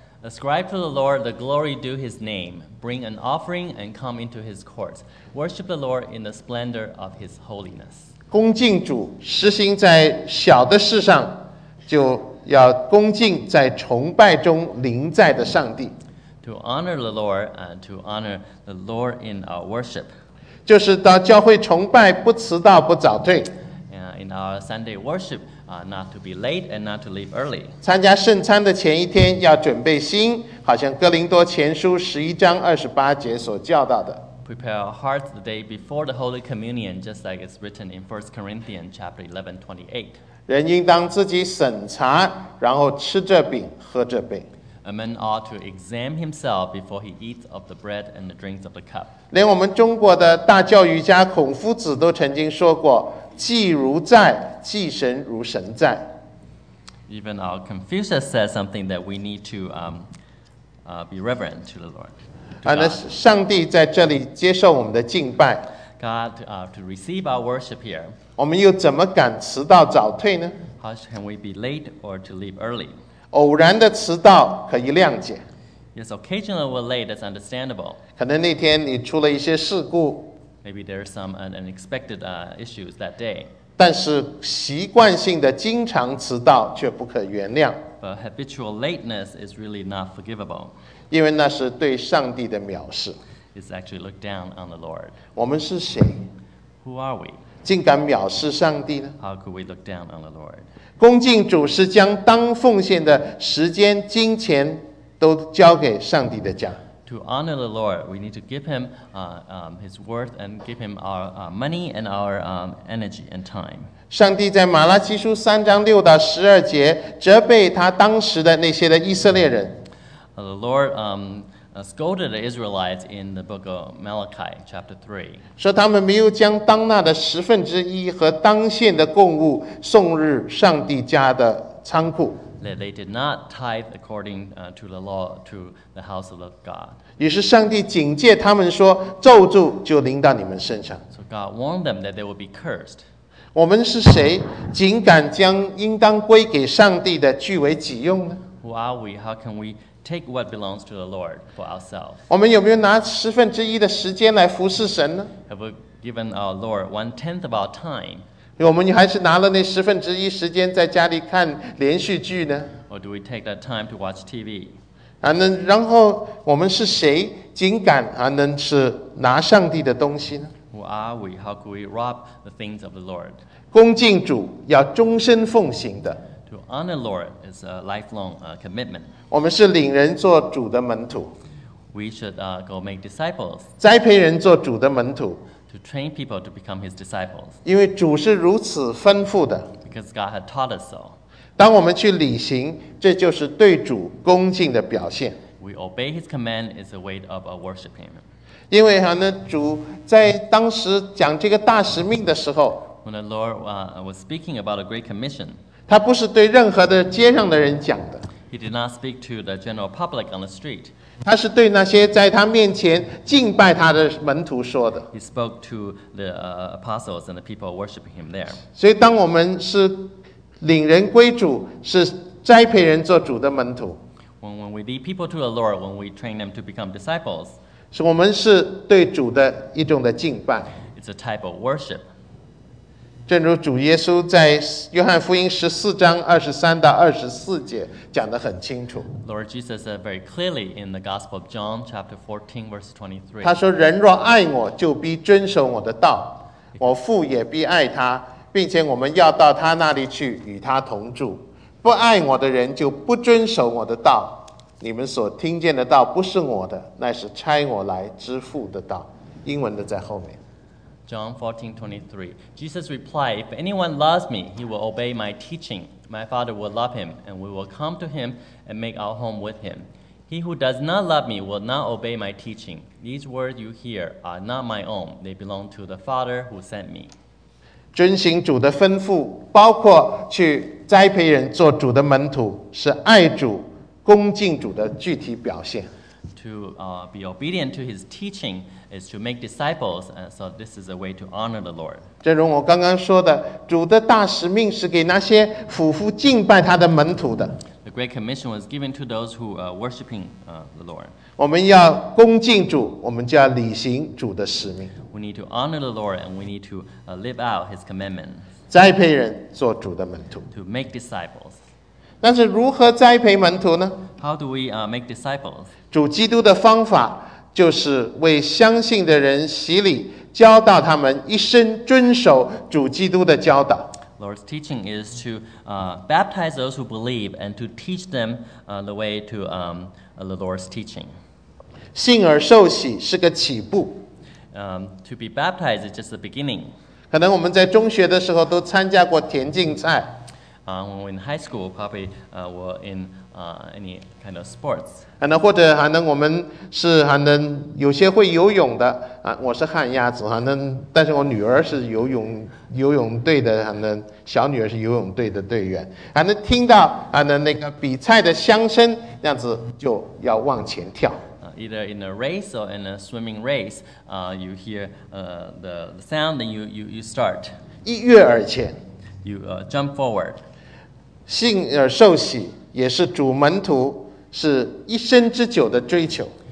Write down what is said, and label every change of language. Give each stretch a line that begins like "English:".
English: Ascribe to the Lord the glory due his name. Bring an offering and come into his courts. Worship the Lord in the splendor of his holiness.
Chinese: 恭敬主，实行在小的事上，就要恭敬在崇拜中临在的上帝。
English: To honor the Lord, to honor the Lord in our worship.
Chinese: 就是到教会崇拜，不迟到，不早退。
English: In our Sunday worship, not to be late and not to leave early.
Chinese: 参加圣餐的前一天要准备心，好像哥林多前书十一章二十八节所教导的。
English: Prepare our hearts the day before the Holy Communion, just like it's written in 1 Corinthians chapter 11, 28.
Chinese: 人应当自己审查，然后吃这饼，喝这杯。
English: A man ought to examine himself before he eats of the bread and the drinks of the cup.
Chinese: 连我们中国的大教育家孔夫子都曾经说过。祭如在，祭神如神在。
English: Even our Confucius said something that we need to be reverent to the Lord.
Chinese: 上帝在这里接受我们的敬拜。
English: God to receive our worship here.
Chinese: 我们又怎么敢迟到早退呢
English: ？How can we be late or to leave early?
Chinese: 偶然的迟到可以谅解。
English: Yes, occasionally we're late. That's understandable.
Chinese: 可能那天你出了一些事故。
English: Maybe there are some unexpected issues that day.
Chinese: 但是习惯性的经常迟到却不可原谅。
English: But habitual lateness is really not forgivable.
Chinese: 因为那是对上帝的藐视。
English: It's actually looked down on the Lord.
Chinese: 我们是谁
English: ？Who are we?
Chinese: 竟敢藐视上帝呢
English: ？How could we look down on the Lord?
Chinese: 恭敬主是将当奉献的时间、金钱都交给上帝的家。
English: to honor the Lord, we need to give him his worth and give him our money and our energy and time.
Chinese: 上帝在马拉基书三章六到十二节责备他当时的那些的以色列人。
English: The Lord scolded the Israelites in the book of Malachi, chapter 3.
Chinese: 说他们没有将当纳的十分之一和当献的供物送入上帝家的仓库。
English: That they did not tithe according to the law to the house of God.
Chinese: 于是上帝警戒他们说，咒诅就临到你们身上。
English: So God warned them that they would be cursed.
Chinese: 我们是谁，尽敢将应当归给上帝的据为己用呢？
English: Who are we? How can we take what belongs to the Lord for ourselves?
Chinese: 我们有没有拿十分之一的时间来服侍神呢？
English: Have we given our Lord one tenth of our time?
Chinese: 我们还是拿了那十分之一时间在家里看连续剧呢？
English: Or do we take that time to watch TV?
Chinese: 然后我们是谁，尽敢能是拿上帝的东西呢？
English: Who are we? How could we rob the things of the Lord?
Chinese: 恭敬主要终身奉行的。
English: To honor the Lord is a lifelong commitment.
Chinese: 我们是领人做主的门徒。
English: We should go make disciples.
Chinese: 栽培人做主的门徒。
English: To train people to become his disciples.
Chinese: 因为主是如此吩咐的。
English: Because God had taught us so.
Chinese: 当我们去履行，这就是对主恭敬的表现。
English: We obey his command is a way of worshiping him.
Chinese: 因为主在当时讲这个大使命的时候，
English: When the Lord was speaking about a great commission,
Chinese: 他不是对任何的街上的人讲的。
English: He did not speak to the general public on the street.
Chinese: 他是对那些在他面前敬拜他的门徒说的。
English: He spoke to the apostles and the people worshiping him there.
Chinese: 所以当我们是领人归主，是栽培人做主的门徒。
English: When we lead people to the Lord, when we train them to become disciples,
Chinese: 是我们是对主的一种的敬拜。
English: It's a type of worship.
Chinese: 正如主耶稣在约翰福音十四章二十三到二十四节讲得很清楚。
English: Lord Jesus said very clearly in the Gospel of John, chapter 14, verse 23.
Chinese: 他说：“人若爱我，就必遵守我的道，我父也必爱他，并且我们要到他那里去，与他同住。不爱我的人，就不遵守我的道。你们所听见的道，不是我的，乃是差我来之父的道。” 英文的在后面。
English: John 14:23. Jesus replied, If anyone loves me, he will obey my teaching. My Father will love him, and we will come to him and make our home with him. He who does not love me will not obey my teaching. These words you hear are not my own. They belong to the Father who sent me.
Chinese: 遵行主的吩咐，包括去栽培人做主的门徒，是爱主、恭敬主的具体表现。
English: To be obedient to his teaching is to make disciples, and so this is a way to honor the Lord.
Chinese: 正如我刚刚说的，主的大使命是给那些俯伏敬拜他的门徒的。
English: The Great Commission was given to those who are worshiping the Lord.
Chinese: 我们要恭敬主，我们就要履行主的使命。
English: We need to honor the Lord, and we need to live out his commandment.
Chinese: 栽培人做主的门徒。
English: To make disciples.
Chinese: 但是如何栽培门徒呢？
English: How do we make disciples?
Chinese: 主基督的方法就是为相信的人洗礼，教导他们一生遵守主基督的教导。
English: Lord's teaching is to baptize those who believe and to teach them the way to the Lord's teaching.
Chinese: 信而受洗是个起步。
English: To be baptized is just the beginning.
Chinese: 可能我们在中学的时候都参加过田径赛。
English: When we're in high school, probably we're in any kind of sports.
Chinese: 或者我们是有些会游泳的，我是旱鸭子，但是我女儿是游泳队的，小女儿是游泳队的队员，听到那个比赛的响声，那样子就要往前跳。
English: Either in a race or in a swimming race, you hear the sound, then you start.
Chinese: 一跃而前。
English: You jump forward.
Chinese: 信而受洗也是主门徒是一生之久的追求。